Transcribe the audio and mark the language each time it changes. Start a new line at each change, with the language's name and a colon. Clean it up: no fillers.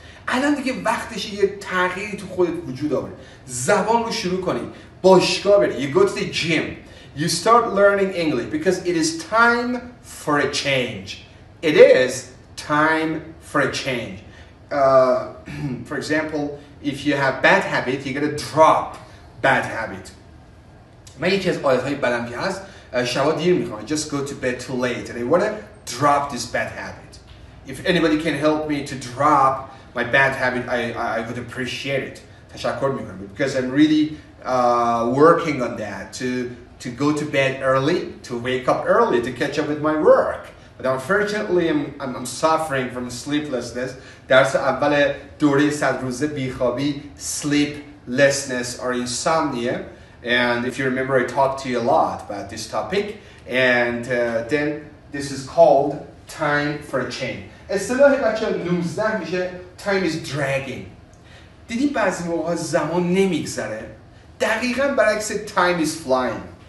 Persian: الان دیگه وقتش یه تغییری تو خودت وجود آوره. زبان رو شروع کنی, باشگاه بری,
English: you go to the gym. You start learning English because it is time for a change. It is time for a change. for example, if you have bad habit, you got to drop bad habit.
Persian: من یکی از عادت‌های بدم که هست, شبا دیر می‌خوام.
English: I just go to bed too late. And I want to drop this bad habit. If anybody can help me to drop my bad habit, I would appreciate it.
Persian: تشکر می‌کنم.
English: Because I'm really working on that to go to bed early, to wake up early, to catch up with my work. But unfortunately, I'm suffering from sleeplessness.
Persian: درس اول دوره صد روزه بیخوابی, sleeplessness or insomnia.
English: And if you remember, I talked to you a lot about this topic. And then this is called time for a change.
Persian: اصطلاح بچه 19 میشه,
English: time is dragging.
Persian: دیدی بعضی موقع زمان نمیگذره؟ دقیقا برعکس,
English: time is flying.